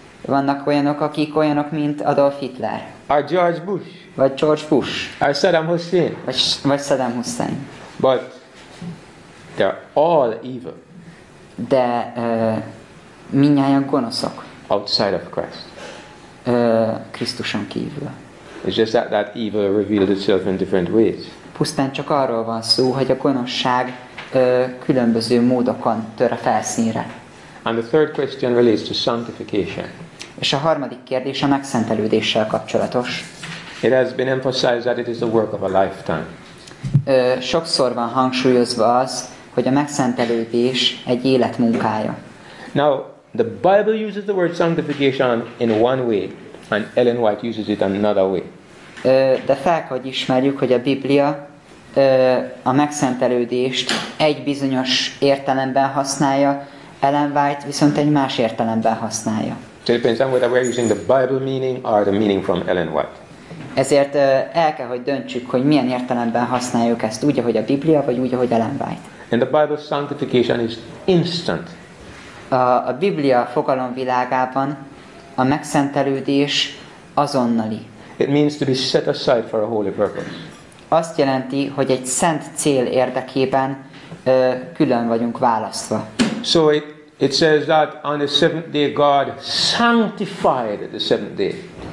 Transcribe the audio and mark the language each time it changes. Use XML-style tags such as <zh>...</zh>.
<hu>Vannak olyanok, akik olyanok, mint Adolf Hitler.</hu> <en>Or George Bush.</en> <hu>Vagy George Bush.</hu> <en>Or Saddam Hussein.</en> <hu>Vagy Saddam Hussein.</hu> <en>But they're all evil.</en> <hu>De mindnyájan gonoszok.</hu> <en>Outside of Christ.</en> <hu>Krisztuson kívül.</hu> <en>It's just that that evil revealed itself in different ways.</en> <hu>Pusztán csak arról van szó, hogy a gonoszság különböző módokon tör a felszínre.</hu> <en>And the third question relates to sanctification.</en> <hu>És a harmadik kérdés a megszentelődéssel kapcsolatos.</hu> <en>It has been emphasized that it is the work of a lifetime.</en> <hu>Sokszor van hangsúlyozva az, hogy a megszentelődés egy életmunkája.</hu> <en>Now, the Bible uses the word sanctification in one way, and Ellen White uses it another way.</en> <hu>De fel kell, hogy ismerjük, hogy a Biblia a megszentelődést egy bizonyos értelemben használja, Ellen White viszont egy más értelemben használja.</hu> <en>So it depends on whether we're using the Bible meaning or the meaning from Ellen White.</en> <hu>Ezért el kell, hogy döntsük, hogy milyen értelemben használjuk ezt, úgy, ahogy a Biblia, vagy úgy, ahogy Ellen White.</hu> <en>And the Bible sanctification is instant.</en> <hu>A Biblia fogalomvilágában a megszentelődés azonnali.</hu> <en>It means to be set aside for a holy purpose.</en> <hu>Azt jelenti, hogy egy szent cél érdekében külön vagyunk választva.</hu> <en>So it says that on the seventh day God sanctified the seventh day.</en>